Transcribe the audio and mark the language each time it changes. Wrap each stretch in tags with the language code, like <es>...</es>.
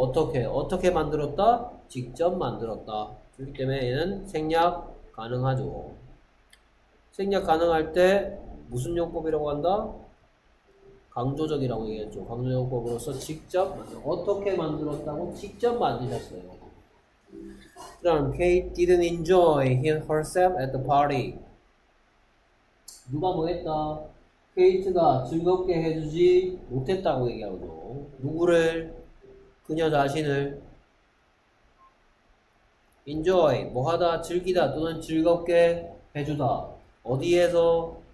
<ko>어떻게 만들었다? 직접 만들었다. 그렇기 때문에 얘는 생략 가능하죠. 생략 가능할 때 무슨 용법이라고 한다? 강조적이라고 얘기했죠. 강조용법으로서 직접 어떻게 만들었다고? 직접 만드셨어요.</ko> <en>그럼 Kate didn't enjoy herself at the party.</en> <ko>누가 뭐 했다? 케이트가 즐겁게 해주지 못했다고 얘기하고, 누구를? 그녀 자신을. enjoy, 뭐하다, 즐기다, 또는 즐겁게 해주다. 어디에서?</ko>